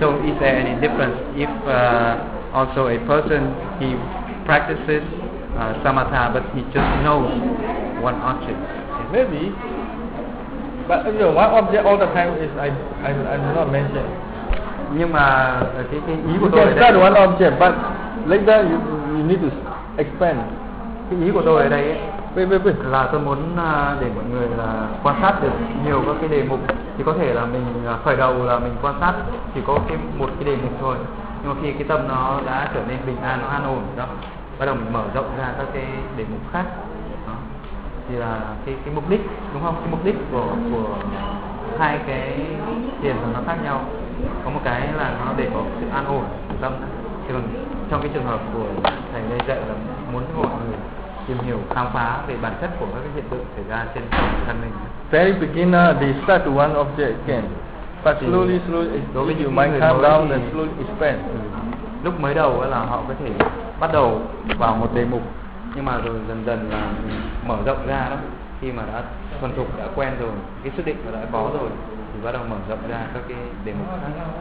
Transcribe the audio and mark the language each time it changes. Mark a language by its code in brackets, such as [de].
[en] So is there any difference if also a person he practices samatha but he just knows one object? Maybe. But you know, one object all the time is I'm not mentioned. [vi] Nhưng mà cái ý của [en] you [vi] tôi [en] can start one object, but later you need to expand. [vi] Cái ý của tôi ở đây là tôi muốn để mọi người là quan sát được nhiều các cái đề mục. Thì có thể là mình khởi đầu là mình quan sát chỉ có cái một cái đề mục thôi. Nhưng mà khi cái tâm nó đã trở nên bình an, nó an ổn đó, bắt đầu mình mở rộng ra các cái đề mục khác đó. Thì là cái mục đích, đúng không? Cái mục đích của hai cái thiền nó khác nhau. Có một cái là nó để có sự an ổn tâm. Thì trong cái trường hợp của thầy Lê dạy là muốn mọi người tìm hiểu khám phá về bản chất của các cái hiện tượng xảy ra trên thân mình. [en] Very beginner, they start to one object again, but slowly, slowly, slowly you might calm down and slowly expand. [vi] Lúc mới đầu là họ có thể bắt đầu vào một đề mục, nhưng mà rồi dần dần là mở rộng ra đó. Khi mà đã thuần thục, đã quen rồi, cái xác định mà đã có rồi, thì bắt đầu mở rộng ra các cái đề mục khác.